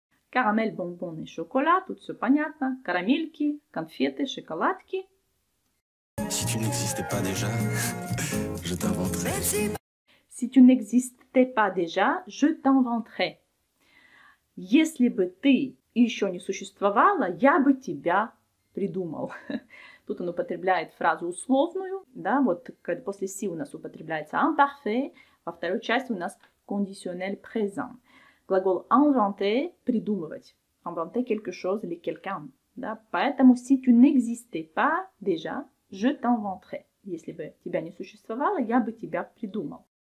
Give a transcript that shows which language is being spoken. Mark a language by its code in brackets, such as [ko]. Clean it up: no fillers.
[ru] Карамель, бонбон и шоколад, тут все понятно. Карамельки, конфеты, шоколадки. [fr] Si tu n'existais pas déjà, je t'inventerais. Si tu n'existais pas déjà, je t'inventerais. [ru] Если бы ты еще не существовала, я бы тебя придумал. Тут он употребляет фразу условную, да, вот после си у нас употребляется imparfait, во второй части у нас conditionnel présent. Глагол inventer – придумывать. [fr] Inventer quelque chose или quelqu'un. [ru] Да? [fr] Поэтому, si tu n'existais pas déjà, je t'inventerais. [ru] Если бы тебя не существовало, я бы тебя придумал.